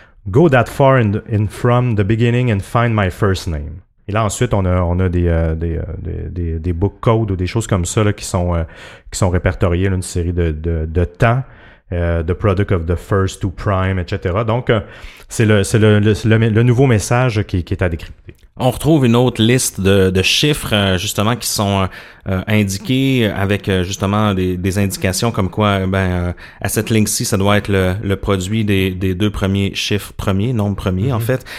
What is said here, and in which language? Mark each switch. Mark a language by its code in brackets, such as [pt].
[en] Go that far in from the beginning and find my first name. [fr] Et là, ensuite, on a des book codes ou des choses comme ça là, qui sont répertoriées, là, une série de temps. [en] The product of the first to prime, etc. [fr] Donc, c'est le nouveau message qui est à décrypter. On retrouve une autre liste de chiffres, justement, qui sont indiqués avec, justement, des indications comme quoi, ben à cette ligne-ci, ça doit être le produit des deux premiers chiffres premiers, nombres premiers, mm-hmm. en fait.